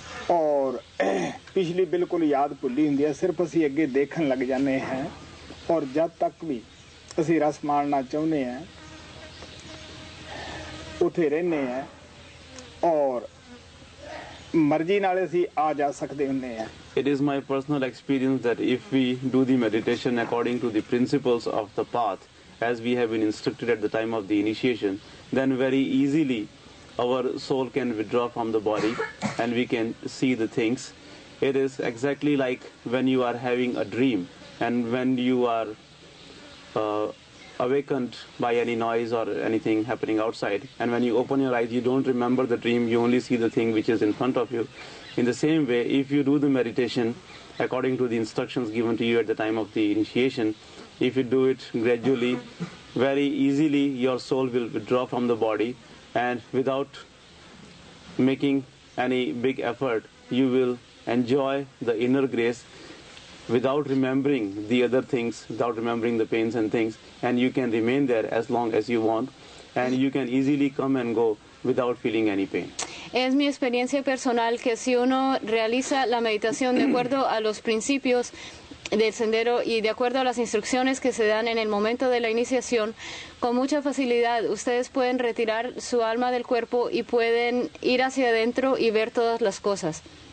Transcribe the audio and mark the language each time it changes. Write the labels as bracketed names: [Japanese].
[Punjabi] ਔਰ ਪਿਛਲੀ ਬਿਲਕੁਲ ਯਾਦ ਭੁੱਲੀ ਹੁੰਦੀ ਹੈ ਸਿਰਫ ਅਸੀਂ ਅੱਗੇ ਦੇਖਣ ਲੱਗ ਜਾਂਦੇ ਹਾਂ ਔਰ ਜਦ ਤੱਕ ਵੀ ਅਸੀਂ ਰਸ ਮਾਣਨਾ ਚਾਹੁੰਦੇ ਹਾਂ ਉੱਥੇ ਰਹਿੰਦੇ ਹਾਂ ਔਰ ਮਰਜ਼ੀ ਨਾਲ ਅਸੀਂ ਆ ਜਾ ਸਕਦੇ ਹੁੰਦੇ ਹਾਂ [English] It is my personal experience that if we do the meditation according to the principles of the path as we have been instructed at the time of the initiation then very easily Our soul can withdraw from the body and we can see the things. It is exactly like when you are having a dream and when you are awakened by any noise or anything happening outside. And when you open your eyes, you don't remember the dream, you only see the thing which is in front of you. In the same way, if you do the meditation according to the instructions given to you at the time of the initiation, if you do it gradually, very easily your soul will withdraw from the body. And without making any big effort, you will enjoy the inner grace without remembering the other things, without remembering the pains and things. And you can remain there as long as you want. And you can easily come and go without feeling any pain. [Spanish] Es mi experiencia personal que si uno realiza la meditación de acuerdo a los principios del sendero y de acuerdo a las instrucciones que se dan en el momento de la iniciación, con mucha facilidad ustedes pueden retirar su alma del cuerpo y pueden ir hacia adentro y ver todas las cosas.